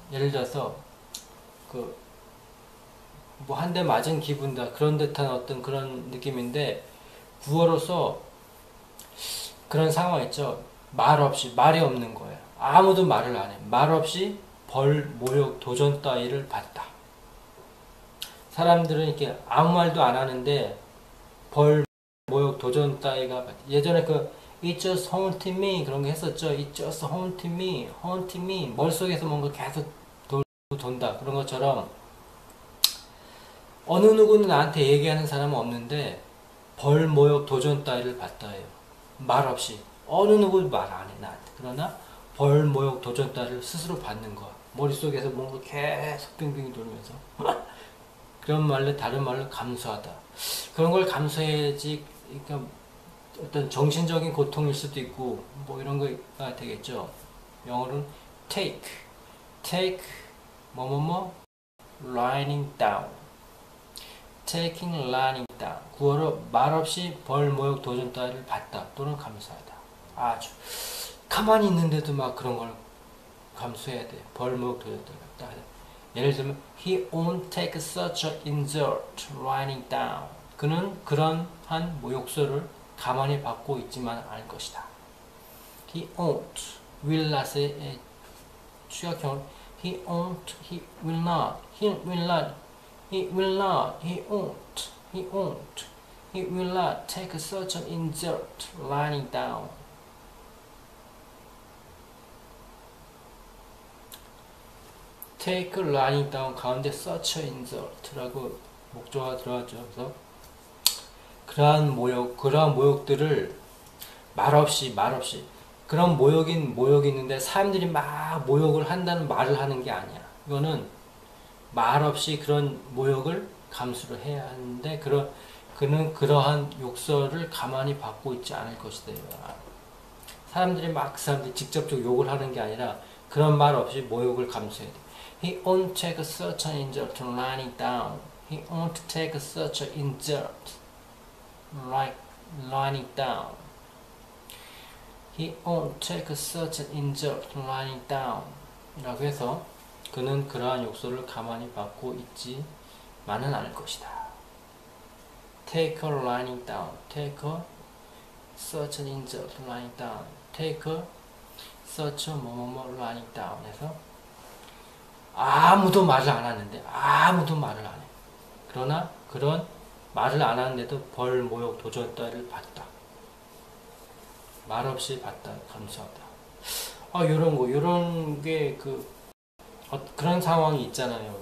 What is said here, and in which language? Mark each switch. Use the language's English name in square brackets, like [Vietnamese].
[Korean] 예를 들어서 그뭐한대 맞은 기분이다, 그런 듯한 어떤 그런 느낌인데, 구어로서 그런 상황 있죠. 말 없이, 말이 없는 거예요. 아무도 말을 안 해. 말 없이 벌, 모욕, 도전 따위를 받다. 사람들은 이렇게 아무 말도 안 하는데 벌, 모욕, 도전 따위가 받다. 예전에 그 [English] It just haunted me. [Korean] 그런 게 했었죠. [English] It just haunted me. Haunted me. [Korean] 머릿속에서 뭔가 계속 돈다. 그런 것처럼, 어느 누구는 나한테 얘기하는 사람은 없는데, 벌, 모욕, 도전 따위를 받다예요. 말 없이. 어느 누구도 말안 해, 나한테. 그러나, 벌, 모욕, 도전 따위를 스스로 받는 거야. 머릿속에서 뭔가 계속 빙빙 돌면서. 그런 말로, 다른 말로 감수하다. 그런 걸 감수해야지, 그러니까 어떤 정신적인 고통일 수도 있고 뭐 이런 거가 되겠죠. 영어로는 take 뭐뭐뭐 lying down, [English] taking lying down. [Korean] 구어로 말없이 벌, 모욕, 도전 따위를 받다 또는 감수하다. 아주 가만히 있는데도 막 그런 걸 감수해야 돼. 벌, 모욕, 도전 따위를 받다. 예를 들면 [English] he won't take such an insult lying down. [Korean] 그는 그런 한 모욕설을 가만히 받고 있지만 않을 것이다. [English] He won't, will not의 추격형. He won't, he will not, he will not, he will not, he won't, he won't, he will not take such an insult lying down. [Korean] 테이크 라이닝 다운 가운데 서처 인서트라고 목조가 들어가죠. 그래서 그러한 모욕들을 말없이 그런 모욕이 있는데 사람들이 막 모욕을 한다는 말을 하는 게 아니야. 이거는 말없이 그런 모욕을 감수를 해야 하는데, 그는 그러한 욕설을 가만히 받고 있지 않을 것이다. 사람들이 막그 사람들이 직접적으로 욕을 하는 게 아니라 그런 말 없이 모욕을 감수해야 돼. [English] He won't take such an insult lying down. [Korean] He won't take such an insult like lying down. He won't take such an insult lying down. 라고 해서 그는 그러한 욕설을 가만히 받고 있지 많은 않을 것이다. [English] Take a lying down. Take a such an insult lying down. Take a such a 뭐뭐뭐 lying down. [Korean] 해서 아무도 말을 안 하는데, 아무도 말을 안 해. 그러나 그런 말을 안 하는데도 벌, 모욕, 도전따위를 받다. 말없이 받다, 감수하다. 아, 요런 게 그런 상황이 있잖아요.